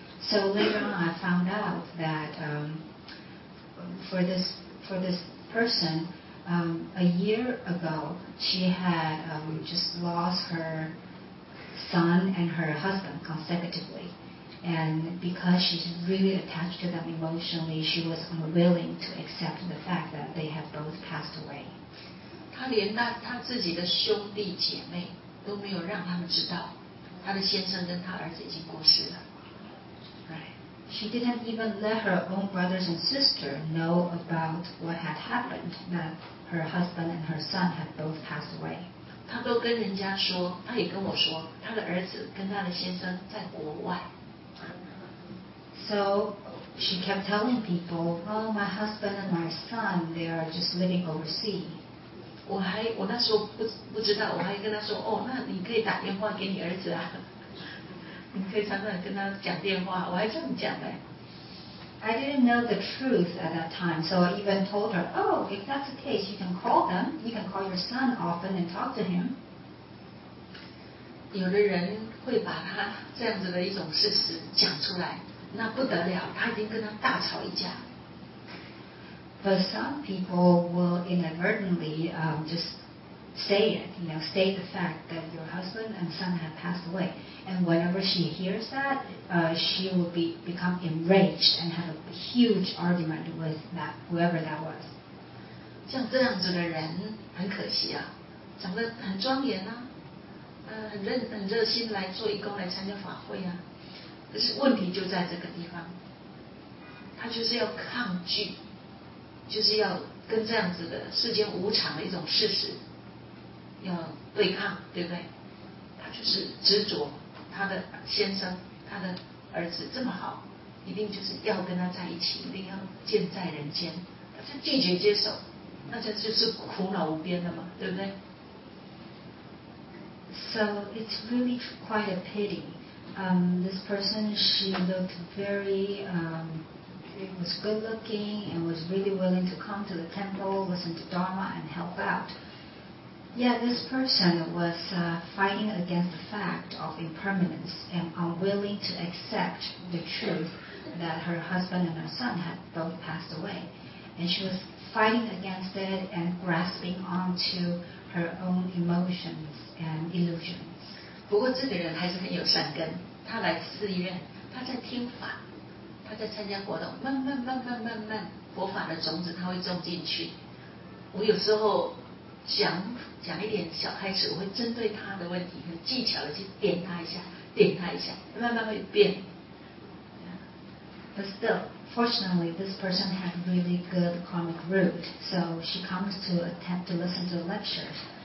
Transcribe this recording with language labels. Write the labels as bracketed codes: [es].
[en] So later on, I found out that for this person, a year ago, she had just lost her son and her husband consecutively. And because she's really attached to them emotionally, she was unwilling to accept the fact that they have both passed away. [zh] 她连她自己的兄弟姐妹都没有让他们知道，她的先生跟她儿子已经过世了。 [en] She didn't even let her own brothers and sister know about what had happened, that her husband and her son had both passed away. [zh] 她都跟人家说，她也跟我说，她的儿子跟她的先生在国外。 [en] So she kept telling people, oh, my husband and my son, they are just living overseas. [zh] 我那时候不知道，我还跟她说，哦，那你可以打电话给你儿子啊。你可以常常跟他讲电话，我还这么讲呗。 [en] I didn't know the truth at that time, so I even told her, "Oh, if that's the case, you can call them. You can call your son often and talk to him." [zh] 有的人会把他这样子的一种事实讲出来，那不得了，他已经跟他大吵一架。 [en] But some people will inadvertently just. Say it, you know, state the fact that your husband and son have passed away. And whenever she hears that, she will become enraged and have a huge argument with that, whoever that was. [zh] 像这样子的人很可惜啊，长得很庄严啊，很热心来做义工来参加法会啊。可是问题就在这个地方，他就是要抗拒，就是要跟这样子的世间无常的一种事实。要对抗，对不对？他就是执着，他的先生，他的儿子这么好，一定就是要跟他在一起，一定要见在人间。他就拒绝接受，那那这就是苦恼无边的嘛，对不对？ [en] So it's really quite a pity. This person, she looked very, was good looking and was really willing to come to the temple, listen to Dharma and help out. Yeah, this person was fighting against the fact of impermanence and unwilling to accept the truth that her husband and her son had both passed away. And she was fighting against it and grasping onto her own emotions and illusions. [zh] 不过这个人还是很有善根，他来寺院，他在听法，他在参加活动，慢慢慢慢慢慢，佛法的种子他会种进去。我有时候讲一点小开始，我会针对他的问题很技巧的去点他一下，点他一下，慢慢会变。 [en] But still, fortunately, this person had really good karmic root, so she comes to attempt to listen to the lectures.